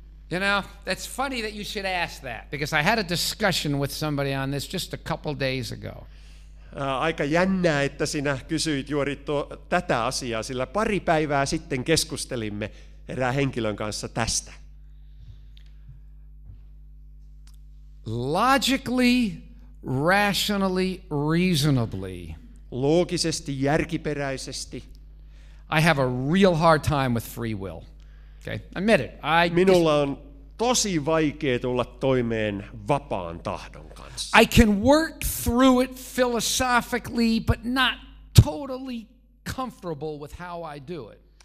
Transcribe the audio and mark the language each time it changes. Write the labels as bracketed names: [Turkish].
[English] You know, that's funny that you should ask that, because I had a discussion with somebody on this just a couple days ago. [Finnish] Aika jännää, että sinä kysyit juuri tätä asiaa, sillä pari päivää sitten keskustelimme erään henkilön kanssa tästä. [English] Logically, rationally, reasonably. [Finnish] Loogisesti, järkiperäisesti. [English] I have a real hard time with free will. Okay, admit it. [Finnish] Minulla on tosi vaikea tulla toimeen vapaan tahdon kanssa. [English] I can work through it philosophically, but not totally comfortable with how I do it.